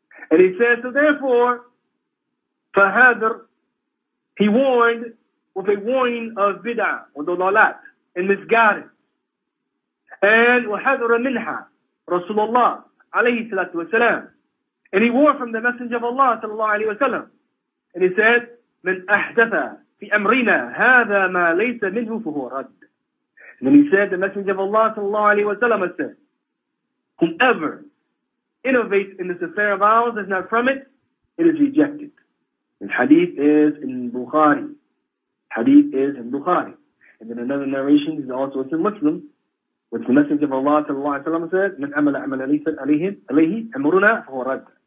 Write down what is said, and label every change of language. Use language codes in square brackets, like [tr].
[en] And he says, so therefore, fahadr, he warned with a warning of bid'ah, or dalalat, and misguided, and wahadr minha, Rasulullah alayhi salatu wasalam. And he warned from the Messenger of Allah sallallahu alayhi wasalam. [ar] And he said, من أحدث في أمرنا هذا ما ليس منه فهو رد. [en] And then he said, the Messenger of Allah sallallahu alayhi wasalam said, whomever innovates in this affair of ours is not from it, it is rejected. And hadith is in Bukhari. Hadith is in Bukhari. And then another narration is also in Muslim. With the message of Allah sallallahu alayhi wa sallam said, مَنْ أَمَلَ عَمَلَ لَيْسَ عَلَيْهِ أَمُرُنَا فَهُوَ رَدْ.